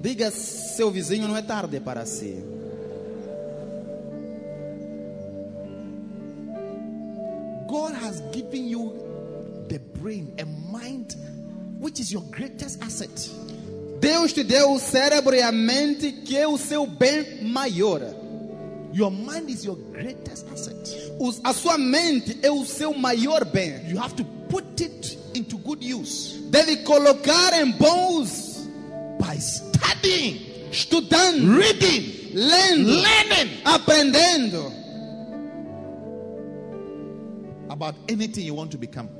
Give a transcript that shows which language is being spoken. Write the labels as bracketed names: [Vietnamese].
[Portuguese] Diga seu vizinho, não é tarde para si. [English] God has given you the brain, a mind, which is your greatest asset. [Portuguese] Deus te deu o cérebro e a mente, que é o seu bem maior. [English] Your mind is your greatest asset. [Portuguese] A sua mente é o seu maior bem. [English] You have to put it into good use. [Portuguese] Deve colocar em bons. [English] By studying. [Portuguese] Estudando. [English] Reading. [Portuguese] Lendo. [English] Learning. [Portuguese] Aprendendo. [English] About anything you want to become.